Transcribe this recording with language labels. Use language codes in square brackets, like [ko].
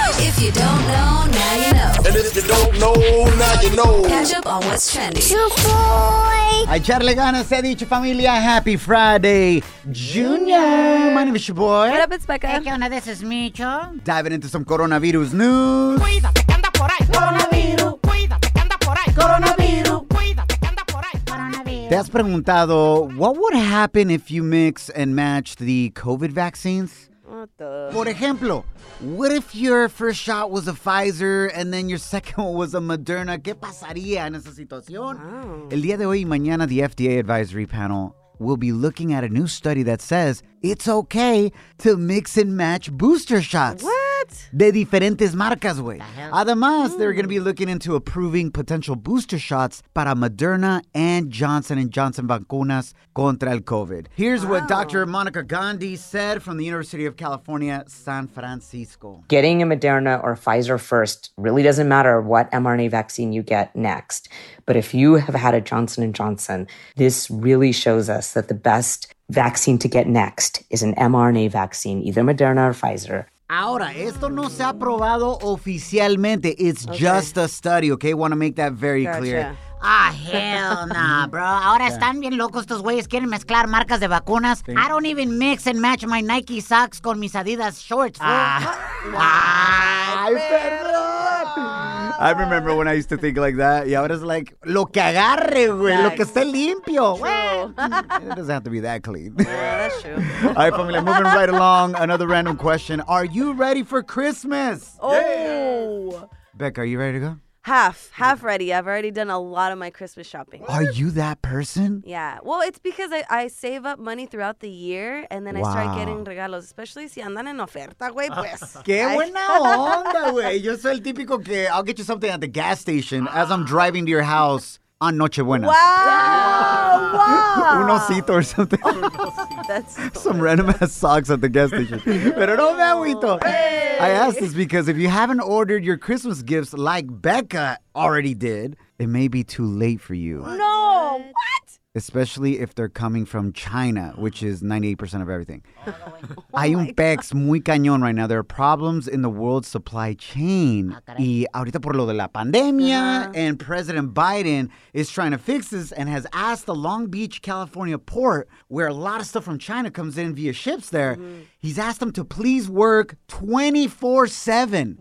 [en] If you don't know, now you know. And if you don't know, now you know. Catch up on what's trending. Your boy. [es] Echarle ganas, dicho familia. [en] Happy Friday, Junior. My name is your boy. What up, it's Becca. Hey, [es] ¿qué onda? [en] This is Micho. Diving into some coronavirus news. [es] Cuídate, que anda por ahí. Coronavirus. Cuídate, que anda por ahí. Coronavirus. Cuídate, que anda por ahí. Coronavirus. ¿Te has preguntado [en] what would happen if you mix and match the COVID vaccines? What the? [es] Por ejemplo, [en] what if your first shot was a Pfizer and then your second one was a Moderna? [es] ¿Qué pasaría en esa situación? [en] Wow. [es] El día de hoy y mañana, [en] the FDA advisory panel will be looking at a new study that says it's okay to mix and match booster shots. What? [es] De diferentes marcas, güey. Además, [en] they're going to be looking into approving potential booster shots [es] para [en] Moderna and Johnson & Johnson [es] vacunas contra el COVID. [en] Here's what Dr. Monica Gandhi said from the University of California, San Francisco. Getting a Moderna or Pfizer first really doesn't matter what mRNA vaccine you get next. But if you have had a Johnson & Johnson, this really shows us that the best vaccine to get next is an mRNA vaccine, either Moderna or Pfizer. [es] Ahora, esto no se ha probado oficialmente. [en] It's just a study, okay? Want to make that very clear. Ah, hell nah, bro. [es] Ahora están bien locos estos güeyes. Quieren mezclar marcas de vacunas. [en] I don't even mix and match my Nike socks [es] con mis [en] Adidas shorts, bro. [es] Ay, perdón. [en] I remember when I used to think like that. [es] Y ahora es like, lo que agarre, güey. Lo que esté limpio. [en] It doesn't have to be that clean. Yeah, that's true. All right, familia, moving right along. Another random question. Are you ready for Christmas? Oh. Yeah. Becca, are you ready to go? Half ready. I've already done a lot of my Christmas shopping. Are you that person? Yeah. Well, it's because I save up money throughout the year, and then I start getting [es] regalos, [en] especially [es] si andan en oferta, güey, pues. ¡Qué buena onda, güey! Yo soy el típico que [en] I'll get you something at the gas station as I'm driving to your house on Nochebuena. Wow! [es] Un osito [en] or something. That's some random ass socks at the gas station. [es] Pero no me agüito. [en] I ask this because if you haven't ordered your Christmas gifts like Becca already did, it may be too late for you. No! What? Especially if they're coming from China, which is 98% of everything. [es] Hay un pex muy cañón [en] right now. There are problems in the world supply chain. [es] Y ahorita por lo de la pandemia, [en] and President Biden is trying to fix this and has asked the Long Beach, California port, where a lot of stuff from China comes in via ships there, he's asked them to please work 24/7.